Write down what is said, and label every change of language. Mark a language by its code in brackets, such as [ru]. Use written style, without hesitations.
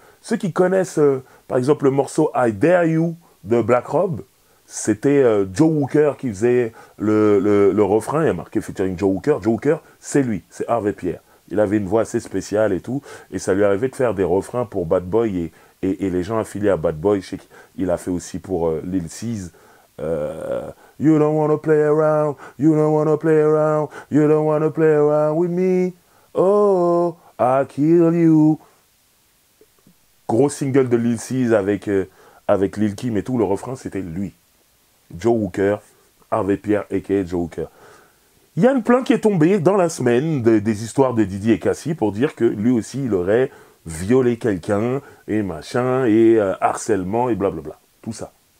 [fr] Ceux qui connaissent, par exemple, le morceau « I Dare You » de Black Rob, c'était Joe Walker qui faisait le refrain, il y a marqué featuring Joe Walker. Joe Walker, c'est lui, c'est Harvey Pierre. Il avait une voix assez spéciale et tout, et ça lui arrivait de faire des refrains pour Bad Boy et les gens affiliés à Bad Boy. Je sais qu'il a fait aussi pour Lil Seize. [en] You don't wanna play around, you don't wanna play around, you don't wanna play around with me, oh, I'll kill you. [fr] Gros single de Lil Seize avec Lil Kim et tout, le refrain c'était lui. Joe Hooker, Harvey Pierre aka Joe Hooker. Il y a une plainte qui est tombée dans la semaine des histoires de Didi et Cassie pour dire que lui aussi il aurait violé quelqu'un et machin et harcèlement et blablabla, tout ça.